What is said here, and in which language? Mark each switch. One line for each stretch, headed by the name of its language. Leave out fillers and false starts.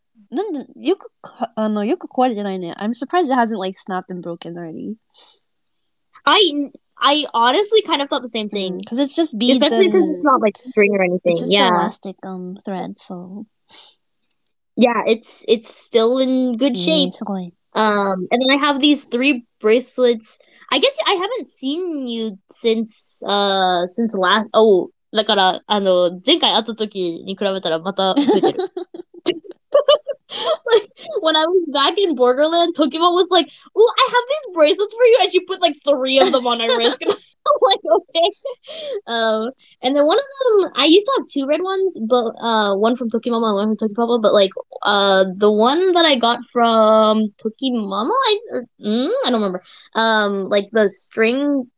Japanese: なんでよくあのよく壊れてないね。
English: I'm surprised it hasn't like snapped and broken already. I honestly kind of thought the same thing. Because it's just beads. Especially and since it's not like string or anything. It's just elastic thread. So. Yeah, it's still in good shape. And then I have these three bracelets. I guess I haven't seen you since last.
Japanese: Oh, だからあの前回会った時に比べたらまた増えてる。
English: Like when I was back in Borderland, Tokimon was like, "Oh, I have these bracelets for you," and she put like three of them on her wrist. And I'm like, okay. And then one of them, I used to have two red ones, but one from Tokimama and one from Tokipapa. But like, the one that I got from Tokimama, I don't remember. Like the string